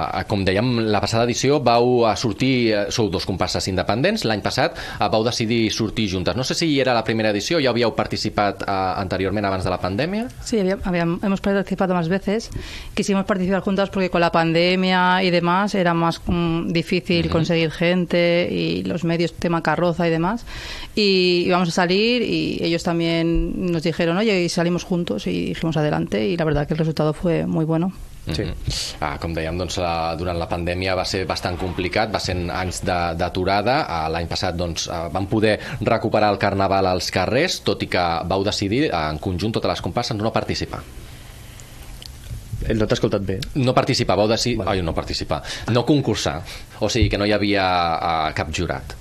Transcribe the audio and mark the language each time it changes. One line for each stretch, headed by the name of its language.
Catalan: Com dèiem, la passada edició vau sortir, sou dos comparses independents, l'any passat vau decidir sortir juntes. No sé si era la primera edició, ja havíeu participat anteriorment abans de la pandèmia.
Spanish: Sí, hemos participado más veces, quisimos participar juntas porque con la pandemia y demás era más difícil conseguir gente y los medios, tema carroza y demás, y íbamos a salir y ellos también nos dijeron, oye, y salimos juntos y dijimos adelante, y la verdad que el resultado fue muy bueno. Sí.
Catalan: Com dèiem, doncs, durant la pandèmia va ser bastant complicat, va ser anys d'aturada. L'any passat doncs, vam poder recuperar el carnaval als carrers, tot i que vau decidir en conjunt totes les comparses no participar. No t'has escoltat bé? No participar, vau decidir... Vale. Ai, no participar. No concursar. O sigui, que no hi havia cap jurat.